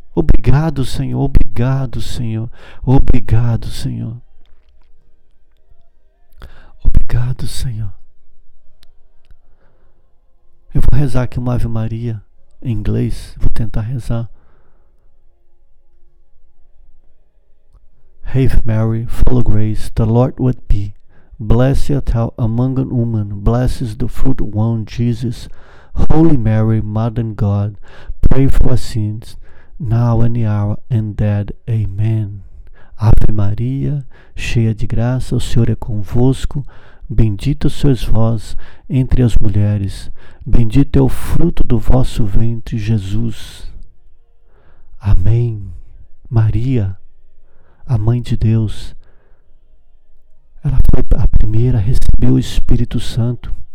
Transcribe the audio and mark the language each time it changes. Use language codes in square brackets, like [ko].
[pt] Obrigado, Senhor. Obrigado, Senhor. Obrigado, Senhor. Obrigado, Senhor. Eu vou rezar aqui uma Ave Maria em inglês. Vou tentar rezar. [en] Hail Mary, full of grace, the Lord with thee. Blessed thou among women, blessed is the fruit of womb, Jesus. Holy Mary, Mother God, pray for our sins, now and the hour and dead. Amen. [pt] Ave Maria, cheia de graça, o Senhor é convosco. Bendita sois vós entre as mulheres, bendito é o fruto do vosso ventre, Jesus. Amém. Maria, a Mãe de Deus, ela foi a primeira a receber o Espírito Santo.